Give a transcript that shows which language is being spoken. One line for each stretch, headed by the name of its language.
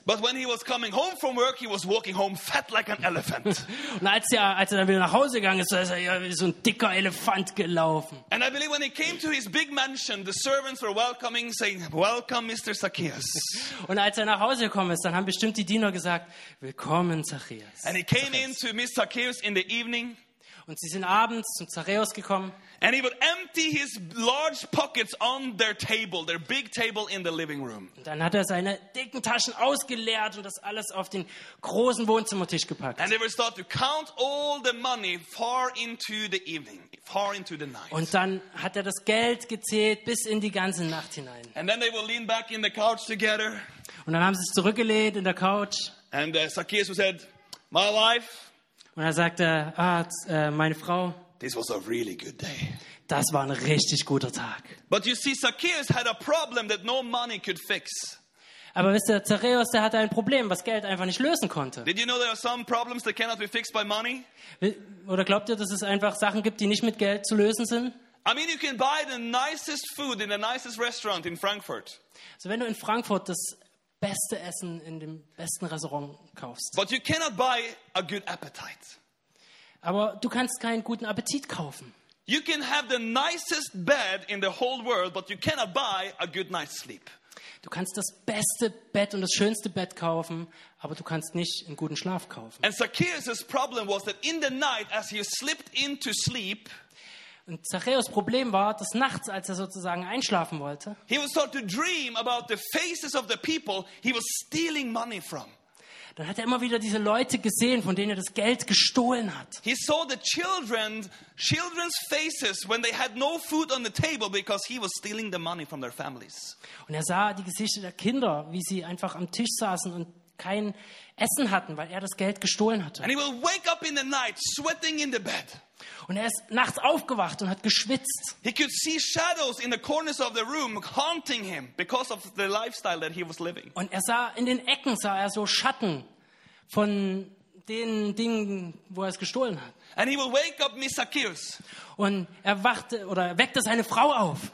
English: But when he was coming home from work, he was walking home fat like an elephant.
German: Und als er dann wieder nach Hause gegangen ist, ist er wie so ein dicker Elefant gelaufen.
English: And I believe when he came to his big mansion, the servants were welcoming, saying, "Welcome, Mr. Zacchaeus."
German: Und als er nach Hause gekommen ist, dann haben bestimmt die Diener gesagt, willkommen Zacchaeus.
English: And he came in to Miss Zacchaeus in the evening.
German: Und sie sind abends zum Zacchaeus gekommen.
English: And he would empty his large pockets on their table, their big table in the living room.
German: Und dann hat er seine dicken Taschen ausgeleert und das alles auf den großen Wohnzimmertisch gepackt.
English: And they would start to count all the money far into the evening, far into the night.
German: Und dann hat er das Geld gezählt bis in die ganze Nacht hinein.
English: And then they would lean back in the couch together.
German: Und dann haben sie sich zurückgelehnt in der Couch.
English: And Zacchaeus said, my wife.
German: Und er sagte, meine Frau.
English: This was a really good day.
German: Das war ein richtig guter Tag.
English: But you see, Zacchaeus had a problem that no money could fix.
German: Aber wisst ihr, Zacchaeus, der hatte ein Problem, was Geld einfach nicht lösen konnte.
English: Did you know there are some problems that cannot be fixed by money?
German: Oder glaubt ihr, dass es einfach Sachen gibt, die nicht mit Geld zu lösen sind?
English: I mean, you can buy the nicest food in the nicest restaurant in Frankfurt.
German: Also wenn du in Frankfurt das beste Essen in dem besten Restaurant kaufst.
English: But you cannot buy a good appetite.
German: Aber du kannst keinen guten Appetit kaufen.
English: You can have the nicest bed in the whole world, but you cannot buy a good night's sleep.
German: Du kannst das beste Bett und das schönste Bett kaufen, aber du kannst nicht einen guten Schlaf kaufen.
English: And Zacchaeus' problem was that in the night as he slipped into sleep,
German: und Zacchaeus' Problem war, dass nachts, als er sozusagen einschlafen wollte,
English: he would start to dream about the faces of the people he was stealing money from.
German: Dann hat er immer wieder diese Leute gesehen, von denen er das Geld gestohlen hat.
English: He saw the children's faces when they had no food on the table because he was stealing the money from their families.
German: Und er sah die Gesichter der Kinder, wie sie einfach am Tisch saßen und kein Essen hatten, weil er das Geld gestohlen hatte.
English: And he will wake up in the night, sweating in the bed.
German: Und er ist nachts aufgewacht und hat geschwitzt.
English: He could see shadows in the corners of the room haunting him because of the lifestyle that he was living.
German: Und er sah in den Ecken sah er so Schatten von den Dingen, wo er es gestohlen hat.
English: And he will wake up Miss Zacchaeus.
German: Und er wachte oder weckte seine Frau auf.